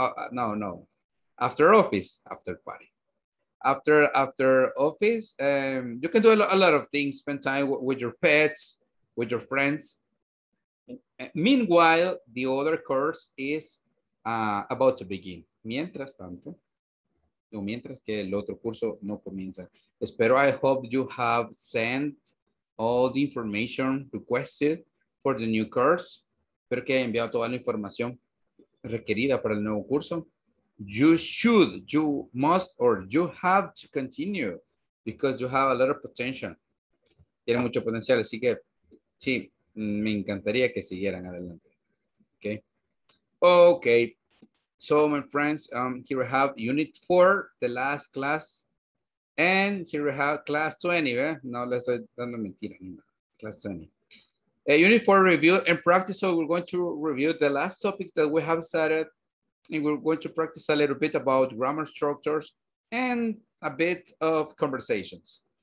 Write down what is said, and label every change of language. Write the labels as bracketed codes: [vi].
[en] No. After office. After party. After office. You can do a lot of things. Spend time with your pets, with your friends. Meanwhile, the other course is about to begin. [es] Mientras tanto, o mientras que el otro curso no comienza. [en] Espero, I hope you have sent all the information requested for the new course. [es] Espero que haya enviado toda la información requerida para el nuevo curso. [en] You should, you must, or you have to continue because you have a lot of potential. [es] Tiene mucho potencial, así que sí, me encantaría que siguieran adelante. [en] Okay. So my friends, here we have unit 4, the last class, and here we have class 20. Eh? [es] No, les estoy dando mentira. [en] Class 20. Unit 4 review and practice. So we're going to review the last topic that we have started, and we're going to practice a little bit about grammar structures and a bit of conversations.